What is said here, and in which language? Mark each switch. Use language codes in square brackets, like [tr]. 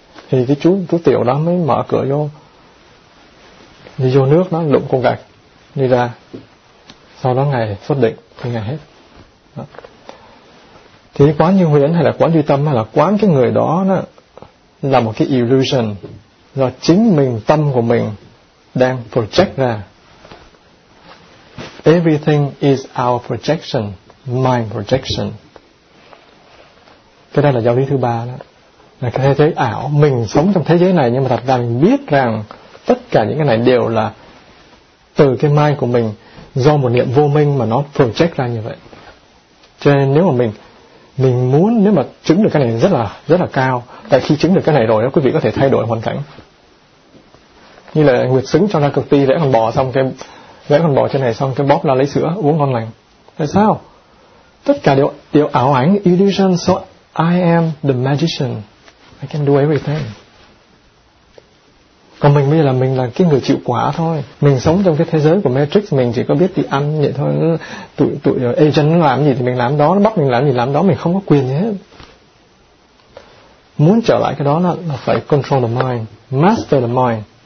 [vi] Thì cái chú tiểu đó mới mở cửa vô, đi vô nước nó lụm con gạch đi ra, sau đó ngày xuất định thì ngày hết đó. Thì quán như huyễn hay là quán duy tâm hay là quán cái người đó đó là một cái illusion do chính mình, tâm của mình đang project ra. [en] Everything is our projection, mind projection. [vi] Cái đó là giáo lý thứ ba đó, là cái thế giới ảo, mình sống trong thế giới này nhưng mà thật ra mình biết rằng tất cả những cái này đều là từ cái mind của mình, do một niệm vô minh mà nó project ra như vậy. Cho nên nếu mà mình muốn, nếu mà chứng được cái này rất là cao, tại khi chứng được cái này rồi đó, quý vị có thể thay đổi hoàn cảnh. Như là Nguyệt Xứng cho ra cực ti, rẽ con bò xong cái rẽ con bò trên này xong cái bóp ra lấy sữa uống ngon lành. Tại sao? Tất cả đều ảo ảnh, illusion. [en] So I am the magician, I can do everything. [vi] Còn mình bây giờ là mình là cái người chịu quả thôi. Mình sống trong cái thế giới của Matrix, mình chỉ có biết đi ăn vậy thôi. Tụi agent nó làm gì thì mình làm đó, nó bắt mình làm gì làm đó, mình không có quyền gì hết. Muốn trở lại cái đó là phải [en] control the mind, master the mind.